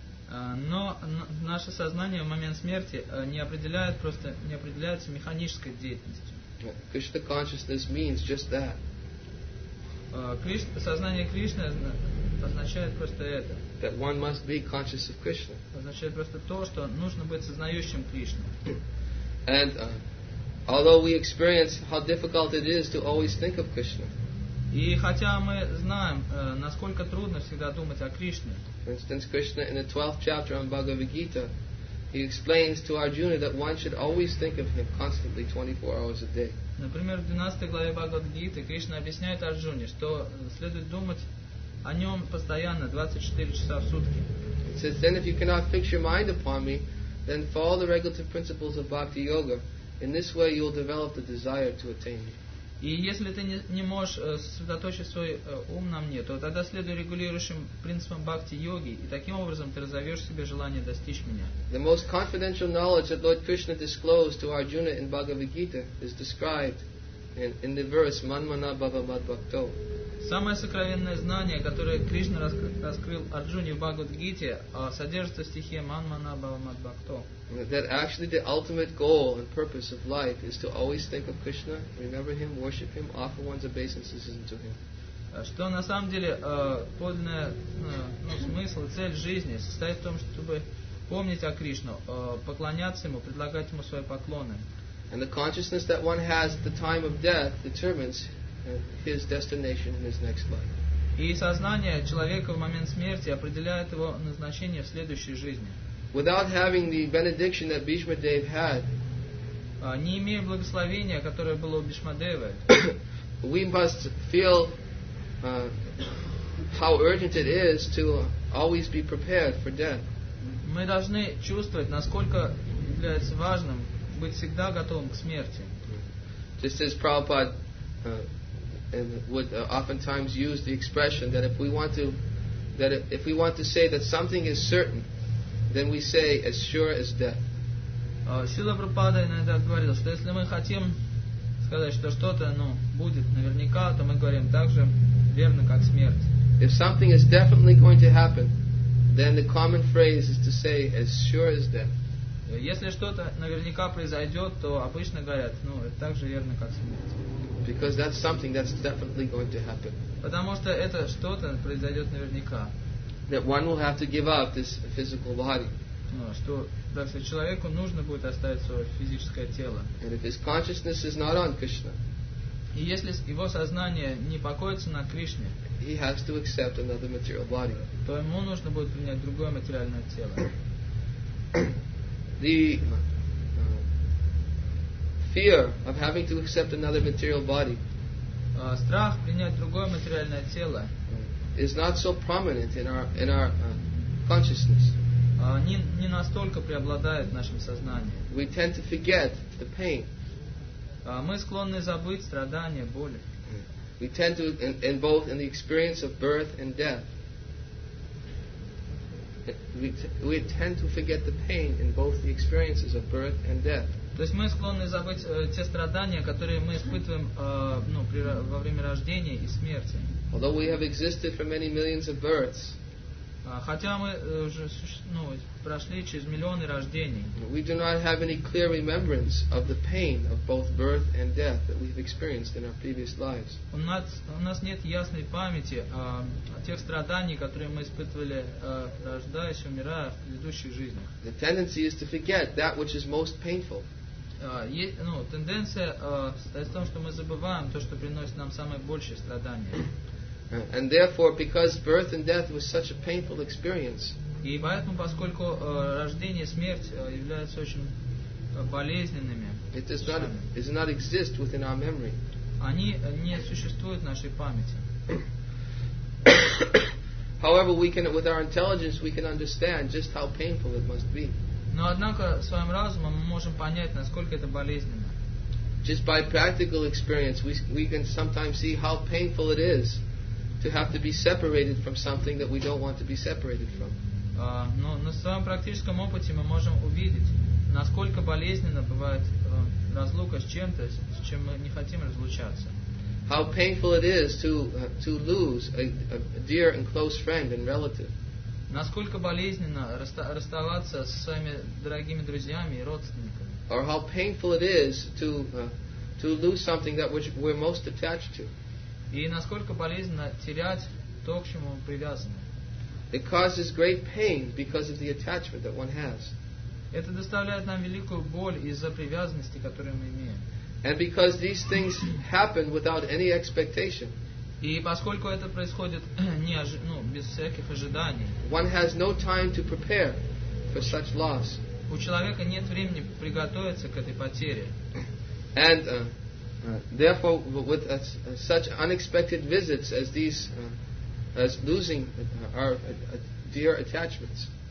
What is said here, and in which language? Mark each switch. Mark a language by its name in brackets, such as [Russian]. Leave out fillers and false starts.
[Russian] Но наше сознание в момент смерти не определяется механической деятельностью. [English] Krishna consciousness means just that. [Russian] Сознание Кришны означает просто это. [English] That one must be conscious of Krishna. [Russian] Означает просто то, что нужно быть сознающим Кришну. [English] And although we experience how difficult it is to always think of Krishna. [Russian] И хотя мы знаем, насколько трудно всегда думать о Кришне. [English] For instance, Krishna in the 12th chapter on Bhagavad Gita, he explains to Arjuna that one should always think of him constantly 24 hours a day. [Russian] Например, в 12 главе Бхагавад Гиты Кришна объясняет Арджуне, что следует думать о нем постоянно 24 часа в сутки. [English] It says, then if you cannot fix your mind upon me, then follow the regulative principles of Bhakti Yoga. In this way you will develop the desire to attain me. [Russian] И если ты не можешь сосредоточить свой ум на мне, то тогда следуй регулирующим принципам бхакти-йоги, и таким образом ты разовьешь в себе желание достичь меня. [English] The most confidential knowledge that Lord Krishna disclosed to Arjuna in Bhagavad Gita is described in the verse Manmana Bhava Mad Bhakto. [Russian] Самое сокровенное знание, которое Кришна раскрыл Арджуне в Бхагавад Гите, содержится в стихе Манмана Бхава Мад Бхакто. [English] That actually the ultimate goal and purpose of life is to always think of Krishna, remember him, worship him, offer one's obeisances unto him. [Russian] Что на самом деле подлинный смысл, цель жизни состоит в том, чтобы помнить о Кришне, поклоняться ему, предлагать ему свои поклоны. [English] And the consciousness that one has at the time of death determines his destination in his next life. [Russian] И сознание человека в момент смерти определяет его назначение в следующей жизни. [English] Without having the benediction that Bhishma Dev had, [Russian] не имея благословения, которое было у Бхишма Дева, [English] we must feel how urgent it is to always be prepared for death. [Russian] Мы должны чувствовать, насколько является важным быть всегда готовым к смерти. [English] Just as Prabhupada and would oftentimes use the expression that if we want to say that something is certain, then we say as sure as death. [Russian] Шрила Прабхупада иногда говорил, что если мы хотим сказать, что что-то, ну, будет наверняка, то мы говорим так же верно, как смерть. [English] If something is definitely going to happen, then the common phrase is to say as sure as death. [Russian] Если что-то наверняка произойдет, то обычно говорят, ну, это так же верно, как смерть. [English] Because that's something that's definitely going to happen. [Russian] Потому что это что-то произойдет наверняка. [English] That one will have to give up this physical body. [Russian] Что, если человеку нужно будет оставить свое физическое тело. [English] And if his consciousness is not on Krishna. [Russian] И если его сознание не покоится на Кришне. [English] He has to accept another material body. [Russian] То ему нужно будет принять другое материальное тело. [English] The fear of having to accept another material body. [Russian] Страх принять другое материальное тело. [English] Is not so prominent in our consciousness. [Russian] Не настолько преобладает в нашем сознании. [English] We tend to forget the pain. [Russian] Мы склонны забыть страдания, боли. [English] We tend to in both in the experience of birth and death. We tend to forget the pain in both the experiences of birth and death. [Russian] То есть мы склонны забыть те страдания, которые мы испытываем во время рождения и смерти. [English] Although we have existed for many millions of births, [Russian] хотя мы уже прошли через миллионы рождений, [English] we do not have any clear remembrance of the pain of both birth and death that we have experienced in our previous lives. [Russian] У нас нет ясной памяти о тех страданиях, которые мы испытывали, рождаясь, умирая в предыдущих жизнях. [English] The tendency is to forget that which is most painful. [Russian] Тенденция состоит в том, что мы забываем то, что приносит нам самые большие страдания. [English] And therefore, because birth and death was such a painful experience, [Russian] и поэтому, поскольку рождение и смерть являются очень болезненными. [English] It does not, it does not exist within our memory. [Russian] Они не существуют в нашей памяти. [English] However, we can, with our intelligence, we can understand just how painful it must be. [Russian] Но однако своим разумом мы можем понять, насколько это болезненно. [English] Just by practical experience, we can sometimes see how painful it is to have to be separated from something that we don't want to be separated from. [Russian] Но на своем практическом опыте мы можем увидеть, насколько болезненно бывает разлука с чем-то, с чем мы не хотим разлучаться. [English] How painful it is to lose a dear and close friend and relative. [Russian] Насколько болезненно расставаться со своими дорогими друзьями и родственниками. [English] Or how painful it is to lose something that which we're most attached to. [Russian] И насколько болезненно терять то, к чему мы привязаны. [English] It causes great pain because of the attachment that one has. [Russian] Это доставляет нам великую боль из-за привязанности, которую мы имеем. [English] And because these things happen without any expectation. [Russian] И поскольку это происходит без всяких ожиданий. [English] One has no time to prepare for such loss. [Russian] У человека нет времени приготовиться к этой потере. [English] And therefore, with such unexpected visits as these, as losing our dear attachments.